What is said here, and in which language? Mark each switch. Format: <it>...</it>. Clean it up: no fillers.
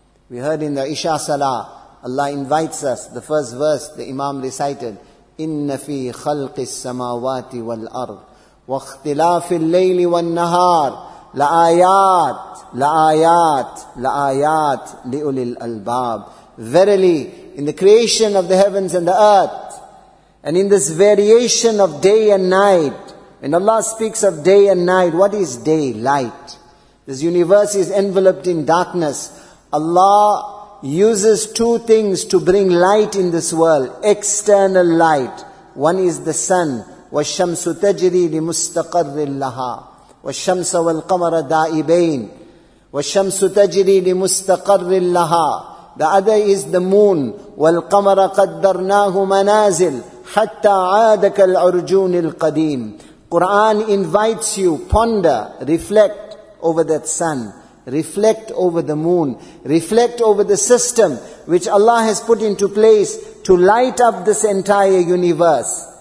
<en>We heard in the Isha Salah, Allah invites us, the first verse the Imam recited,</en> <ar>إِنَّ فِي خَلْقِ السَّمَاوَاتِ وَالْأَرْضِ وَاخْتِلَافِ اللَّيْلِ وَالنَّهَارِ لَآيَاتِ لَآيَاتِ لَآيَاتِ لِأُولِي الْأَلْبَابِ</ar> <en>Verily, in the creation of the heavens and the earth, and in this variation of day and night, when Allah speaks of day and night, what is day? Light. This universe is enveloped in darkness. Allah uses two things to bring light in this world. External light. One is the sun.</en> <ar>وَالشَّمْسُ تَجْرِي لِمُسْتَقَرٍ لَهَا وَالشَّمْسَ وَالْقَمَرَ دَائِبَيْنِ وَالشَّمْسُ تَجْرِي لِمُسْتَقَرٍ لَهَا</ar> <en>The other is the moon.</en> <ar>وَالْقَمَرَ قَدَّرْنَاهُ مَنَازِلٍ حَتَّى عَادَكَ الْعُرْجُونِ الْقَدِيمِ</ar> <en>Quran invites you, ponder, reflect over that sun, reflect over the moon, reflect over the system which Allah has put into place to light up this entire universe.</en>